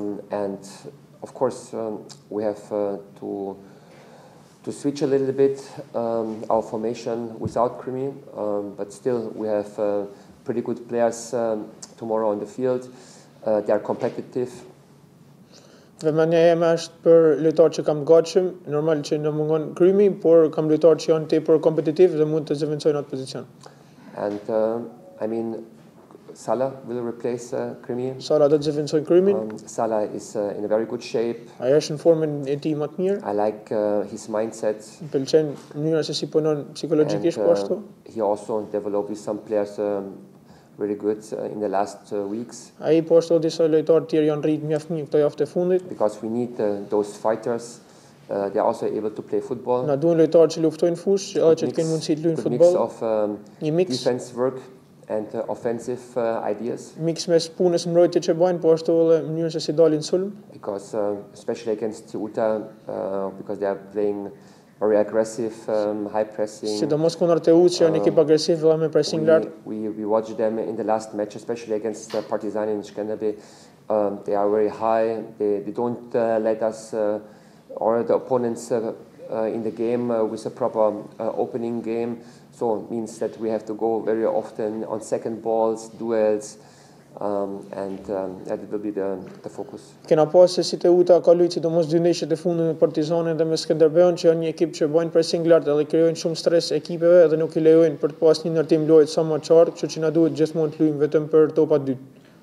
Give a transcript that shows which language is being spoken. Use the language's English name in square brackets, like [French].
[English] And of course, we have to switch a little bit our formation without Krimi. But still, we have pretty good players tomorrow on the field. They are competitive. [Albanian] Vëmendja jeme është për lojtarët që kam të gatshëm. Normal që në mungon Krimi, por kam lojtarë që janë tepër kompetitiv dhe mund të zëvendësojnë atë pozicion. [English] And I mean Sala will replace Krimi. [Albanian] Sala do të zëvendësojë Krimin. [English] Sala is in a very good shape. [Albanian] Ai është në formën e tij më të mirë. [English] I like his mindset. [Albanian] Më pëlqen mënyra se si punon psikologjikisht po ashtu. [English] He also developed some players really good in the last weeks. [Albanian] Ai po ashtu disa lojtarë të tjerë janë rrit mjaft mirë këto javë të fundit. [English] Because we need those fighters. They are also able to play football. [Albanian] Na duan lojtarë që luftojnë fush, edhe që të kenë mundësi të luajnë futboll. [English] Mix of një mix defense work and offensive ideas. [Albanian] Mix mes punës mbrojtje që bëjnë, po ashtu edhe mënyrën se si dalin sulm. [English] Because especially against Teuta, because they are playing very aggressive, high pressing. [Albanian] Sidomos kundër Teut që janë ekip agresiv dhe me pressing lart. [English] We watched them in the last match, especially against Partizan in Skënderbe. They are very high. They don't let us or the opponents in the game with a proper opening game. So it means that we have to go very often on second balls, duels, and that will be the focus. [Albanian] Kena po se si Teuta ka luajtur sidomos dy ndeshjet e fundit me Partizanin dhe me Skënderbeun, që janë një ekip që bëjnë pressing lart dhe krijojnë shumë stres ekipeve dhe nuk i lejojnë për të pasur një ndërtim lojë sa më qartë, kështu që na duhet gjithmonë të luajmë vetëm për topa dytë.